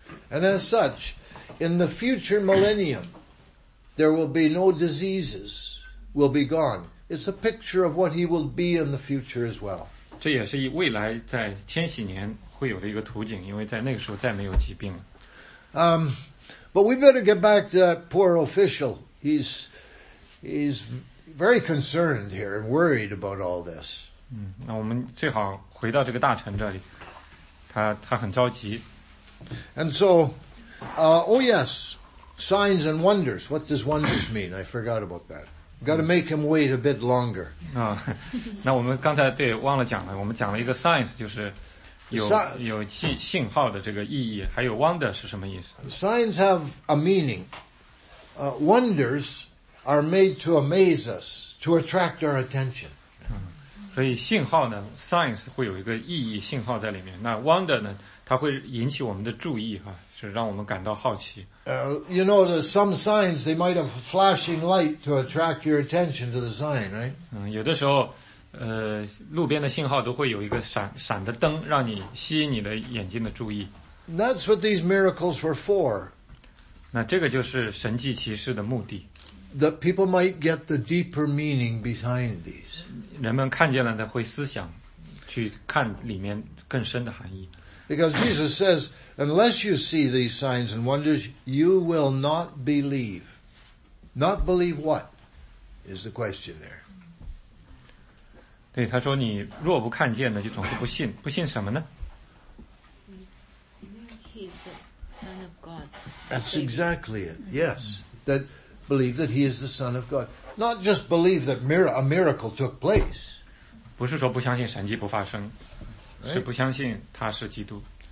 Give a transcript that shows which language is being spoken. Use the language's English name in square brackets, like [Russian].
[English] And as such, in the future millennium, there will be no diseases, will be gone. It's a picture of what he will be in the future as well. [Chinese] 这也是未来在千禧年会有的一个图景，因为在那个时候再没有疾病了。 [English] But we better get back to that poor official. He's very concerned here and worried about all this. [Chinese] 那我们最好回到这个大臣这里，他很着急。 [English] And so, oh yes, signs and wonders. What does wonders mean? I forgot about that. Got to make him wait a bit longer. [Chinese] 那我们刚才对忘了讲了，我们讲了一个 signs， 就是有信号的这个意义，还有 wonder 是什么意思 [English] ？Signs have a meaning. Wonders are made to amaze us, to attract our attention. [Chinese] 所以信号呢 ，signs 会有一个意义信号在里面。那 wonder 呢，它会引起我们的注意哈，是让我们感到好奇。 [English] You know, some signs they might have flashing light to attract your attention to the sign, right? [Chinese] 有的时候，路边的信号都会有一个闪的灯，让你吸引你的眼睛的注意。 [English] That's what these miracles were for. [Chinese] 那这个就是神迹奇事的目的。 [English] That people might get the deeper meaning behind these. [Chinese] 人们看见了的会思想，去看里面更深的含义。 [English] Because Jesus says, unless you see these signs and wonders, you will not believe. Not believe what? Is the question there. [Chinese] 对，他说你若不看见呢，就总是不信。不信什么呢？ [English] He is the Son of God. That's exactly it. Yes. That... Believe that he is the Son of God. Not just believe that a miracle took place. [Chinese] 不是说不相信神迹不发生，是不相信他是基督。